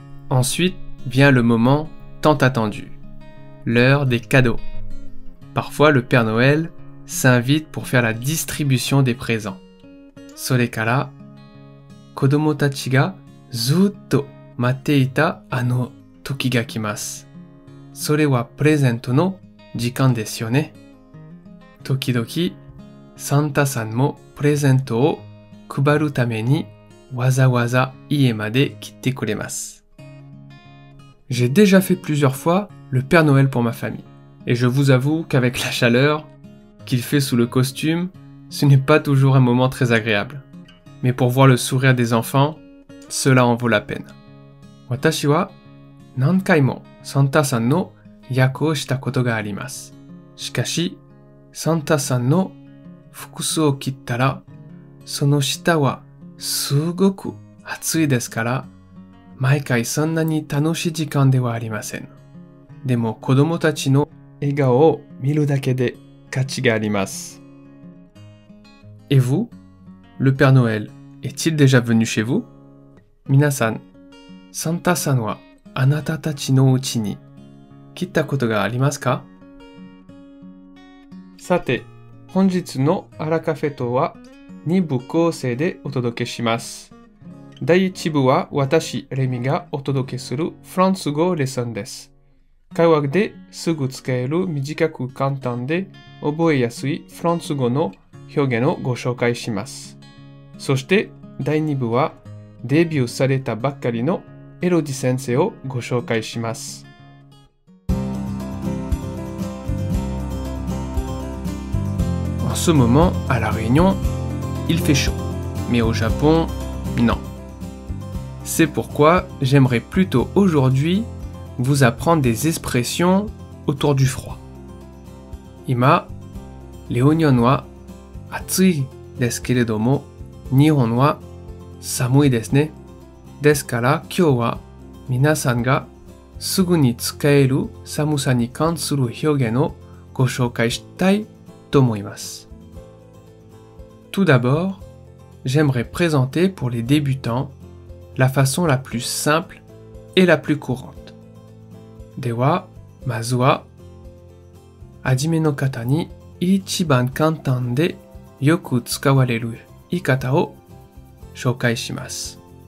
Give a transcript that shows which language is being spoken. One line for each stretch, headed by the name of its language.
French: Ensuite vient le moment tant attendu, l'heure des cadeaux. Parfois le Père Noël s'invite pour faire la distribution des présents.
Japanese: それから、子供たちがずっと待っていたあの時が来ます。それはプレゼントの時間ですよね。時々、サンタさんもプレゼントを配るためにわざわざ家まで来てくれます。
French: J'ai déjà fait plusieurs fois le Père Noël pour ma famille. Et je vous avoue qu'avec la chaleur qu'il fait sous le costume, ce n'est pas toujours un moment très agréable. Mais pour voir le sourire des enfants, cela en vaut la peine.
Japanese: 私は何回もサンタさんの役をしたことがあります。しかし、サンタさんの服装を着たら、その下はすごく暑いですから、毎回そんなに楽しい時間ではありません。でも子供たちの笑顔を見るだけで価値があります。
French: Et vous? Le Père Noël est-il déjà venu chez vous?
Japanese: 皆さん、サンタさんはあなたたちのうちに来たことがありますか? さて、本日のアラカフェ等は2部構成でお届けします。第1部は私、レミがお届けするフランス語レッスンです。会話ですぐ使える短く簡単で覚えやすいフランス語の表現をご紹介します。そして第2部はデビューされたばっかりのエロディ先生をご紹介します。
French: En ce moment, à la Réunion, il fait chaud. Mais au Japon, non. C'est pourquoi j'aimerais plutôt aujourd'hui vous apprendre des expressions autour du froid.
Japanese: 今、レオニオンは暑いですけれども、日本は寒いですね。ですから今日は皆さんがすぐに使える寒さに関する表現をご紹介したいと思います。
French: Tout d'abord, j'aimerais présenter pour les débutants la façon la plus simple et la plus courante.
Japanese: では、まずは、はじめの方に一番簡単でよく使われる言い方を紹介します。